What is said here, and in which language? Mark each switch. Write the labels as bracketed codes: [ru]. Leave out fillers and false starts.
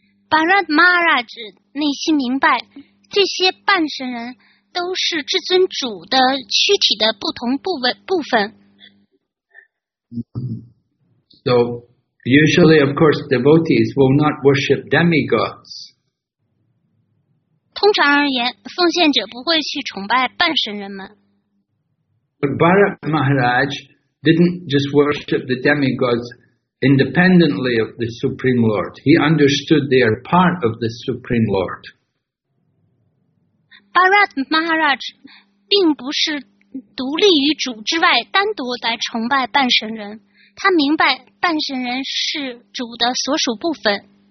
[zh] Bharat Maharaj 内心明白，这些半神人都是至尊主的躯体的不同部分。 [en] So, usually, of course, devotees will not worship demigods. [zh] 通常而言，奉献者不会去崇拜半神人们。 [en] But Bharat Maharaj didn't just worship the demigods independently of the Supreme Lord. He understood they are part of the Supreme Lord. [zh] Bharat Maharaj 并不是独立于主之外单独来崇拜半神人，他明白半神人是主的所属部分。